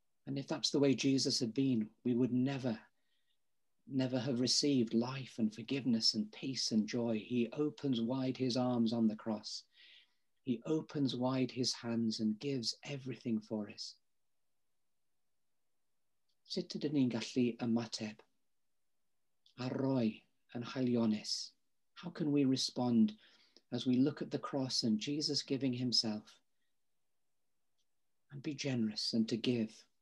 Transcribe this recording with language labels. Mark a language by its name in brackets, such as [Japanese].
[English] And if that's the way Jesus had been, we would never have received life and forgiveness and peace and joy. He opens wide his arms on the cross. He opens wide his hands and gives everything for us. [Welsh] Sut ydyn ni'n gallu ymateb a roi yn haelionis? [English] How can we respond as we look at the cross and Jesus giving himself and be generous and to give?